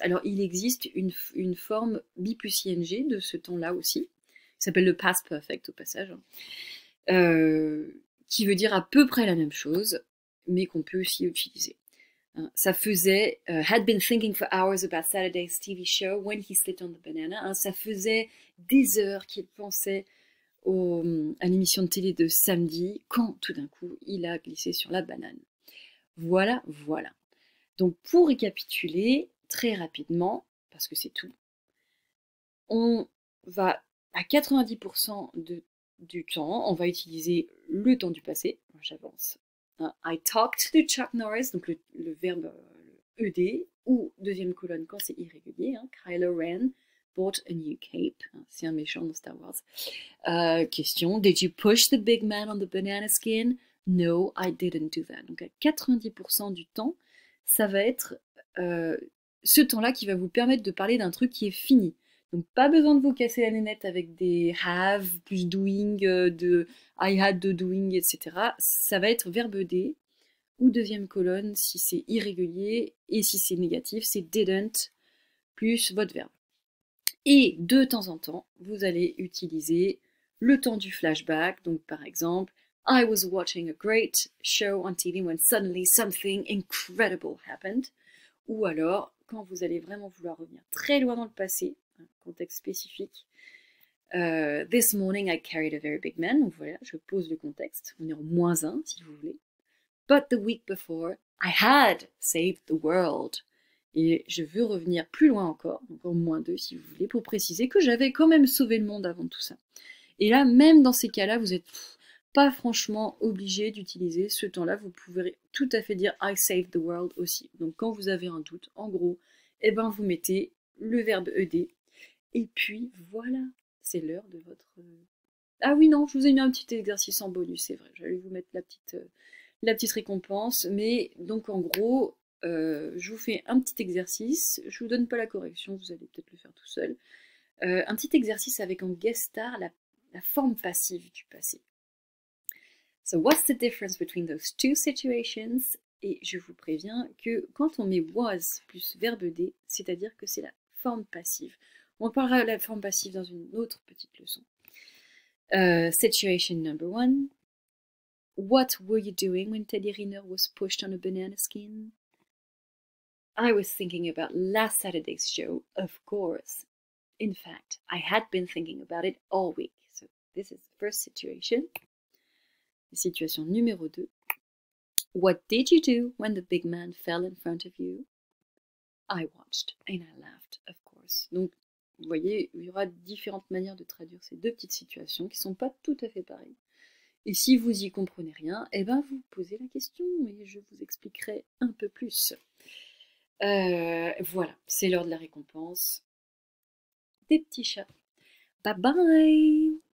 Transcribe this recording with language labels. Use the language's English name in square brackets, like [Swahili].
[French] Alors, il existe une forme bi plus ing de ce temps-là aussi, qui s'appelle le past perfect au passage, qui veut dire à peu près la même chose, mais qu'on peut aussi utiliser. Ça faisait [English] had been thinking for hours about Saturday's TV show when he slipped on the banana. [French] Hein, ça faisait des heures qu'il pensait à l'émission de télé de samedi quand tout d'un coup il a glissé sur la banane. Voilà. Donc pour récapituler très rapidement, parce que c'est tout, on va à 90% du temps, on va utiliser le temps du passé. J'avance. [English] I talked to Chuck Norris, [French] donc le verbe ED, ou deuxième colonne quand c'est irrégulier. Hein, [English] Kylo Ren bought a new cape. [French] Hein, c'est un méchant dans Star Wars. [English] Question, did you push the big man on the banana skin? No, I didn't do that. [French] Donc à 90% du temps, ça va être ce temps-là qui va vous permettre de parler d'un truc qui est fini. Donc pas besoin de vous casser la nénette avec des have plus doing de I had the doing, etc. Ça va être verbe aider ou deuxième colonne si c'est irrégulier et si c'est négatif, c'est didn't plus votre verbe. Et de temps en temps, vous allez utiliser le temps du flashback. Donc par exemple, [English] I was watching a great show on TV when suddenly something incredible happened. [French] Ou alors, quand vous allez vraiment vouloir revenir très loin dans le passé. Contexte spécifique. [English] This morning I carried a very big man. [French] Donc voilà, je pose le contexte. On est en moins un si vous voulez. [English] But the week before I had saved the world. [French] Et je veux revenir plus loin encore, donc en moins deux si vous voulez, pour préciser que j'avais quand même sauvé le monde avant tout ça. Et là, même dans ces cas-là, vous n'êtes pas franchement obligé d'utiliser ce temps-là. Vous pouvez tout à fait dire [English] I saved the world [French] aussi. Donc quand vous avez un doute, en gros, eh ben vous mettez le verbe ed. Et puis voilà, c'est l'heure de votre Ah oui, non, je vous ai mis un petit exercice en bonus, c'est vrai. J'allais vous mettre la petite récompense. Mais donc en gros, je vous fais un petit exercice. Je ne vous donne pas la correction, vous allez peut-être le faire tout seul. Un petit exercice avec en guest star la forme passive du passé. [English] So, what's the difference between those two situations? [French] Et je vous préviens que quand on met was plus verbe d, c'est-à-dire que c'est la forme passive. On parlera de la forme passive dans une autre petite leçon. [English] Situation number one. What were you doing when Teddy Riner was pushed on a banana skin? I was thinking about last Saturday's show, of course. In fact, I had been thinking about it all week. So this is the first situation. [French] Situation numéro 2. [English] What did you do when the big man fell in front of you? I watched and I laughed, of course. [French] Donc, vous voyez, il y aura différentes manières de traduire ces deux petites situations qui ne sont pas tout à fait pareilles. Et si vous n'y comprenez rien, eh ben vous posez la question et je vous expliquerai un peu plus. Voilà, c'est l'heure de la récompense. Des petits chats. Bye bye!